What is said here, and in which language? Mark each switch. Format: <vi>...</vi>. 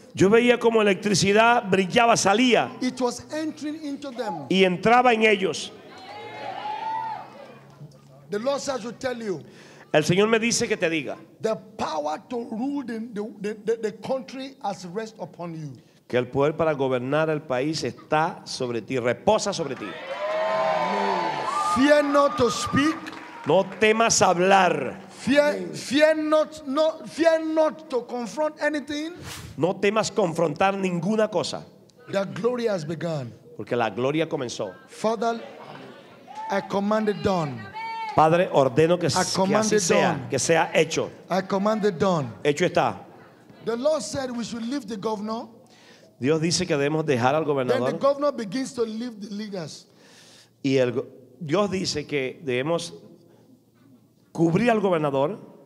<es>Yo veía como electricidad brillaba, salía.</es> <en>It was entering into them.</en> <es>Y entraba en ellos.</es> <en>The Lord says to tell you,</en> <es>el Señor me dice que te diga,</es> <en>the power to rule the country has rest upon you.</en> <es>Que el poder para gobernar el país está sobre ti, reposa sobre ti.</es> <en>Fear not to speak.</en> <es>No temas hablar.</es> <en>Fear not to confront anything.</en> <es>No temas confrontar ninguna cosa.</es> <en>The glory has begun.</en> <es>Porque la gloria comenzó.</es> <en>Father, I command it done.</en> <es>Padre, ordeno que así sea, que sea hecho.</es> <en>I command it done.</en> <es>Hecho está.</es> <en>The Lord said we should leave the governor.</en> <es>Dios dice que debemos dejar al gobernador.</es> <en>Then the governor begins to leave the leaders.</en> <es>Y el Dios dice que debemos cubrir al gobernador.</es>